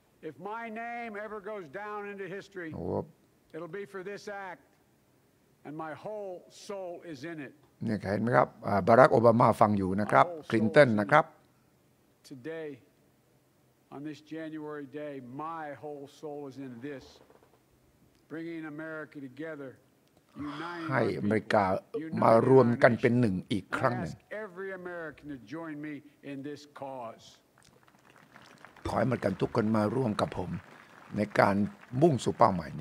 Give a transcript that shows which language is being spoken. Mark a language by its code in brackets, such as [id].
[en] If my name ever goes down into history, it'll be for this act, and my whole soul is in it. [th] เนี่ยเห็นไหมครับบารักโอบามาฟังอยู่นะครับคลินตันนะครับ [en] Today, on this January day, my whole soul is in this, bringing America together, uniting. [th] ให้อเมริกามารวมกันเป็นหนึ่งอีกครั้งหนึ่ง [en] Every American to join me in this cause. [th] ขอให้เหมือนกันทุกคนมาร่วมกับผมในการมุ่งสู่เป้าหมายน